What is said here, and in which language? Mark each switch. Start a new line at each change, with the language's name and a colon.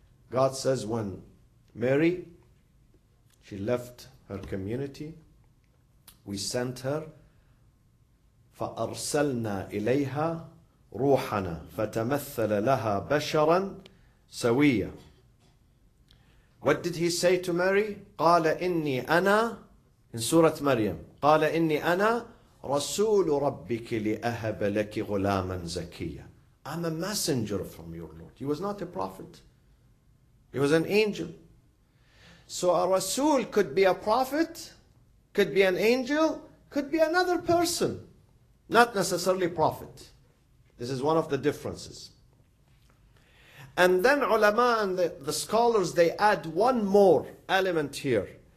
English: God says when Mary, she left her community, we sent her,
Arabic: فَأَرْسَلْنَا إِلَيْهَا رُوحَنَا فَتَمَثَّلَ لَهَا بَشَرًا سَوِيًّا.
English: What did he say to Mary?
Arabic: قَالَ إِنِّي أَنَا,
English: in Surah Maryam,
Arabic: قَالَ إِنِّي أَنَا رسول ربك لأهب لك غلاما زكيا.
English: I'm a messenger from your Lord. He was not a prophet. He was an angel. So a Rasul could be a prophet, could be an angel, could be another person, not necessarily prophet. This is one of the differences. And then ulama and the scholars, they add one more element here.